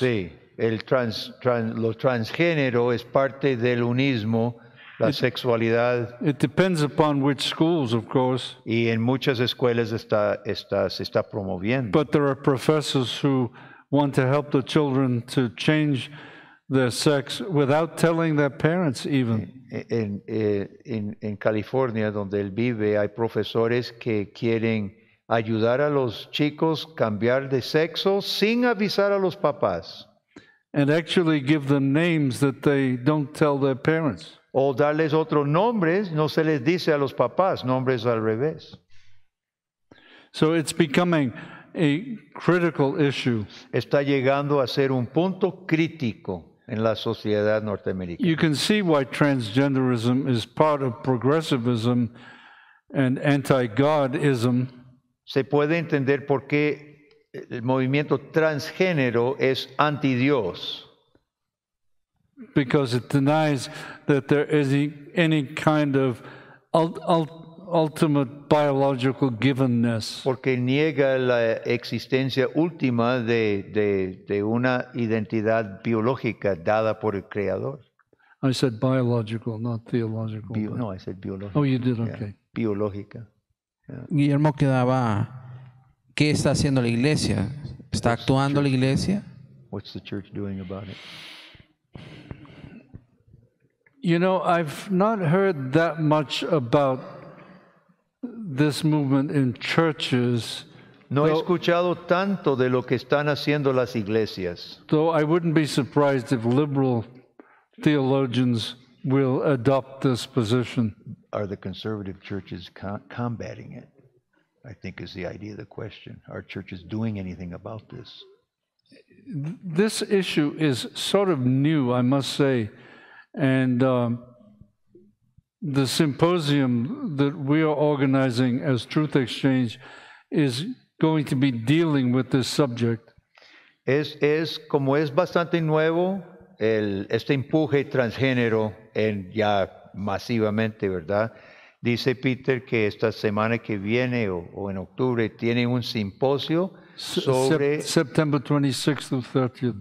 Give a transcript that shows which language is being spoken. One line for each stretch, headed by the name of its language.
Spanish: Sí, lo transgénero es parte del unismo. La sexualidad.
English: It depends upon which schools, of course.
Spanish: Y en muchas escuelas se está promoviendo.
English: But there are professors who want to help the children to change their sex without telling their parents even.
Spanish: En California, donde él vive, hay profesores que quieren ayudar a los chicos cambiar de sexo sin avisar a los papás.
English: And actually give them names that they don't tell their parents.
Spanish: O darles otros nombres, no se les dice a los papás, nombres al revés.
English: So it's becoming a critical issue.
Spanish: Está llegando a ser un punto crítico en la sociedad norteamericana.
English: You can see why transgenderism is part of progressivism and anti-Godism.
Spanish: Se puede entender por qué el movimiento transgénero es anti-Dios.
English: Because it denies that there is any kind of ultimate biological givenness.
Spanish: Porque niega la existencia última de una identidad biológica dada por el creador.
English: I said biological, not theological. No, I said biological. Oh, you did, okay. Yeah.
Spanish: Biológica.
English: Yeah.
Spanish: Guillermo quedaba. ¿Qué está haciendo la iglesia? ¿Está actuando la iglesia?
English: What's the church doing about it? You know, I've not heard that much about this movement in churches.
Spanish: No he escuchado tanto de lo que están haciendo las iglesias.
English: Though I wouldn't be surprised if liberal theologians will adopt this position. Are the conservative churches combating it? I think is the idea of the question. Are churches doing anything about this? This issue is sort of new, I must say. And the symposium that we are organizing as Truth Exchange is going to be dealing with this subject.
Spanish: Es como es bastante nuevo este empuje transgénero en ya masivamente, ¿verdad? Dice Peter que esta semana que viene o en octubre tiene un simposio sobre
English: September 26th through 30th.